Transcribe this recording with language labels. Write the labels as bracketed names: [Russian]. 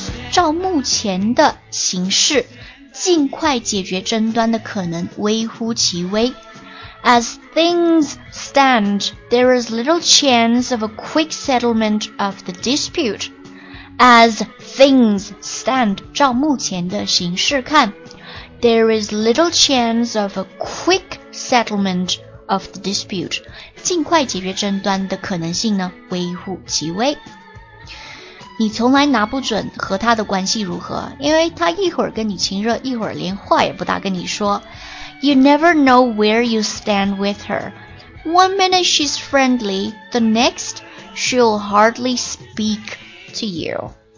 [Chinese] 照目前的形势，尽快解决争端的可能微乎其微。 [English] As things stand, there is little chance of a quick settlement of the dispute. As things stand, [Chinese] 照目前的形势看， [English] there is little chance of a quick settlement of the dispute. [Chinese] 尽快解决争端的可能性呢，微乎其微。你从来拿不准和他的关系如何，因为他一会儿跟你亲热，一会儿连话也不大跟你说。 [English] You never know where you stand with her. One minute she's friendly, the next she'll hardly speak to you.